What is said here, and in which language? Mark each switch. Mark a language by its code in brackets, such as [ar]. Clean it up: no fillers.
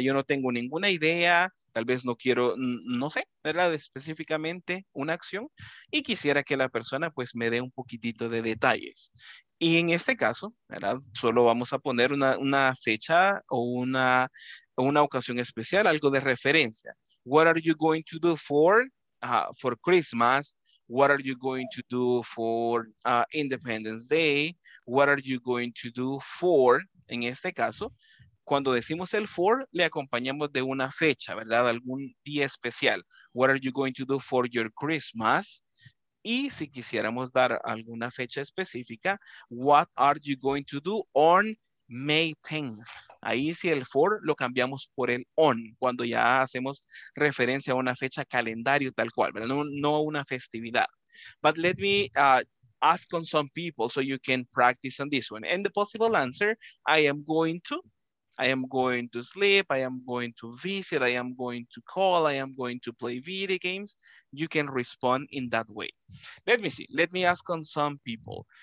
[es] Yo no tengo ninguna idea, tal vez no quiero, no sé, ¿verdad? Específicamente una acción y quisiera que la persona pues me dé un poquitito de detalles. Y en este caso, ¿verdad? Solo vamos a poner una fecha o una ocasión especial, algo de referencia. [en] What are you going to do for Christmas? What are you going to do for Independence Day? What are you going to do for, [es] en este caso, cuando decimos el for, le acompañamos de una fecha, ¿verdad? Algún día especial. [en] What are you going to do for your Christmas? [es] Y si quisiéramos dar alguna fecha específica, [en] what are you going to do on May 10th? [es] Ahí sí el for lo cambiamos por el on, cuando ya hacemos referencia a una fecha calendario tal cual, ¿verdad? No una festividad. [en] But let me ask on some people so you can practice on this one. And the possible answer, I am going to sleep, I am going to visit, I am going to call, I am going to play video games. You can respond in that way. Let me see. Let me ask on some people.